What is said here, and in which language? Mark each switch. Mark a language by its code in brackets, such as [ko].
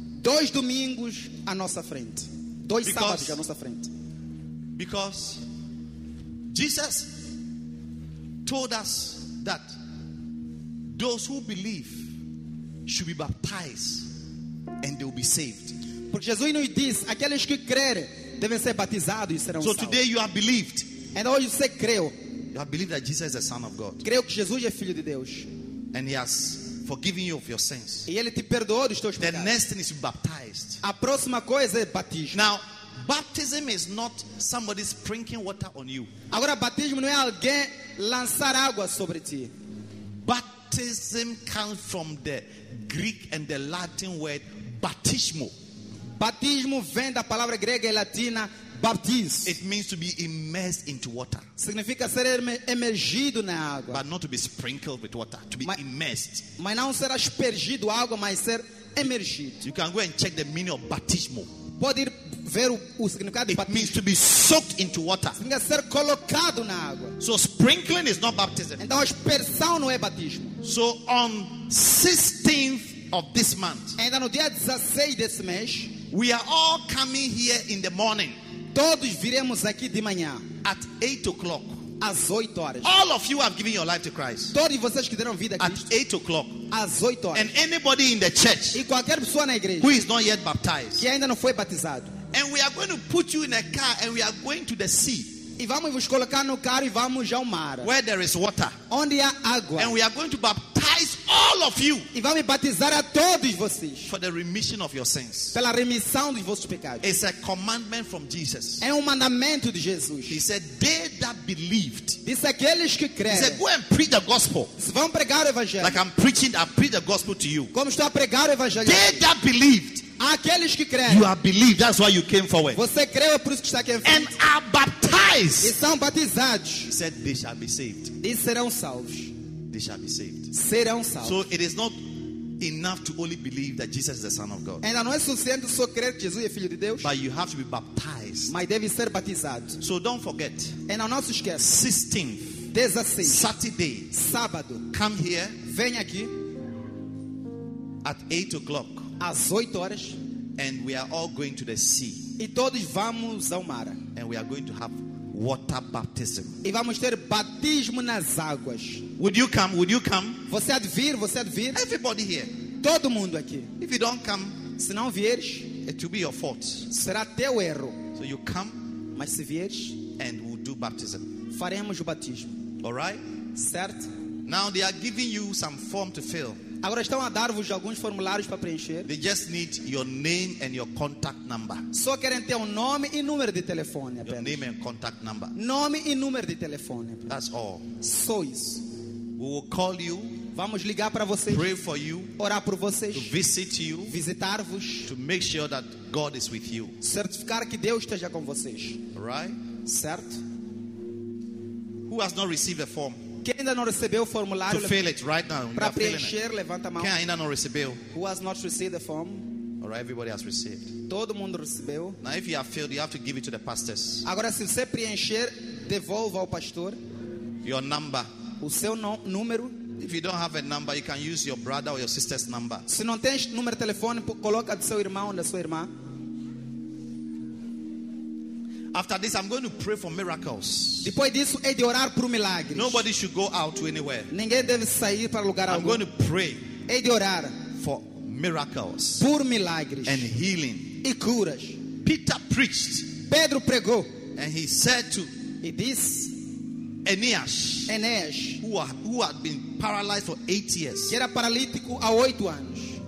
[pt] Dois domingos à nossa frente. Dois sábados à nossa frente. [en] Because Jesus told us that those who believe should be baptized and they will be saved. [pt] Porque Jesus nos diz, aqueles que crerem devem ser batizados e serão salvos. [en] So today you have believed. And all you say creu. You have believed that Jesus is the Son of God. [pt] Creio que Jesus é filho de Deus. [en] And he has forgiven you of your sins. [pt] E ele te perdoou dos teus pecados. [en] The next thing is to be baptized. [pt] A próxima coisa é batismo. [en] Now, baptism is not somebody sprinkling water on you. [pt] Agora, batismo não é alguém lançar água sobre ti. [en] Baptism comes from the Greek and the Latin word baptismo. [pt] Batismo vem da palavra grega e latina baptism. [en] It means to be immersed into water. [pt] Significa ser emergido na água. [en] But not to be sprinkled with water, to be immersed. [pt] Mas não ser aspergido água, mas ser emergido. [en] You can go and check the meaning of baptismo. [pt] Pode ir ver o significado de [en] baptismo. It means to be soaked into water. [pt] Significa ser colocado na água. [en] So sprinkling is not baptism. [pt] Então aspersão não é batismo. [en] So on 16th of this month. [pt] Ainda no dia 16 desse mês, [en] we are all coming here in the morning. [pt] Todos viremos aqui de manhã. [en] At 8 o'clock. [pt] Às 8 horas. [en] All of you have given your life to Christ. [pt] Todos vocês que deram vida a Cristo. [en] At 8 o'clock. [pt] Às 8 horas. [en] And anybody in the church. [pt] E qualquer pessoa na igreja. [en] Who is not yet baptized. [pt] Que ainda não foi batizado. [en] And we are going to put you in a car and we are going to the sea. [pt] E vamos vos colocar no carro e vamos ao mar. [en] Where there is water. [pt] Onde há água. [en] And we are going to baptize all of you. [pt] E vamos batizar a todos vocês. [en] For the remission of your sins. [pt] Pela remissão dos vossos pecados. [en] It's a commandment from Jesus. [pt] É mandamento de Jesus. [en] He said, they that believed. [pt] Disse aqueles que creem. [en] He said, go and preach the gospel. [pt] Vão pregar o evangelho. [en] Like I'm preaching, I preach the gospel to you. [pt] Como estou a pregar o evangelho. [en] They that believed. [pt] Aqueles que creem. [en] You have believed, that's why you came forward. [pt] Você creu, por isso que está aqui em frente. [en] And are baptized. [pt] E são batizados. [en] He said, they shall be saved. [pt] E serão salvos. [en] They shall be saved. [pt] Serão salvos. [en] So it is not enough to only believe that Jesus is the Son of God. [pt] Ainda não é suficiente só crer que Jesus é filho de Deus. [en] But you have to be baptized. [pt] Mas deve ser batizado. [en] So don't forget. [pt] Ainda não se esqueça. [en] 16th. [pt] 16. [en] Saturday. [pt] Sábado. [en] Come here. [pt] Venha aqui. [en] At 8 o'clock. [pt] Às 8 horas. [en] And we are all going to the sea. [pt] E todos vamos ao mar. [en] And we are going to have water baptism. [pt] E vamos ter batismo nas águas. [en] Would you come? Would you come? [pt] Você há de vir? Você há de vir? [en] Everybody here. [pt] Todo mundo aqui. [en] If you don't come, [pt] se não vieres, [en] it will be your fault. [pt] Será teu erro. [en] So you come, [pt] mas se vieres, [en] and we'll do baptism. [pt] Faremos o batismo. [en] All right? [pt] Certo? [en] Now they are giving you some form to fill. [pt] Agora estão a dar-vos alguns formulários para preencher. [en] They just need your name and your contact number. [pt] Só querem ter um nome e número de telefone apenas. [en] Your name and contact number. [pt] Nome e número de telefone apenas. [en] That's all. [pt] Só isso. [en] We will call you. [pt] Vamos ligar para vocês. [en] Pray for you. [pt] Orar por vocês. [en] To visit you. [pt] Visitar-vos. [en] To make sure that God is with you. [pt] Certificar que Deus esteja com vocês. [en] Right? [pt] Certo? [en] Who has not received a form? [pt] Quem ainda não recebeu o formulário? [en] To fill it right now. [pt] Para preencher, levanta a mão. Quem ainda não recebeu? [en] Who has not received the form? All right, everybody has received. [pt] Todo mundo recebeu. [en] Now, if you have filled, you have to give it to the pastors. [pt] Agora, se você preencher, devolva ao pastor. [en] Your number. [pt] O seu número. [en] If you don't have a number, you can use your brother or your sister's number. [pt] Se não tens número de telefone, coloca do seu irmão ou da sua irmã. [en] After this, I'm going to pray for miracles. [pt] Depois disso, é de orar por milagres. [en] Nobody should go out anywhere. [pt] Ninguém deve sair para lugar algum. [en] I'm going to pray. [pt] É de orar [en] for miracles. [pt] Por milagres. [en] And healing. [pt] E curas. [en] Peter preached. [pt] Pedro pregou. [en] And he said to. [pt] E disse. [en] Eneas, who had been paralyzed for 8 years. [pt] Que era paralítico há 8 anos.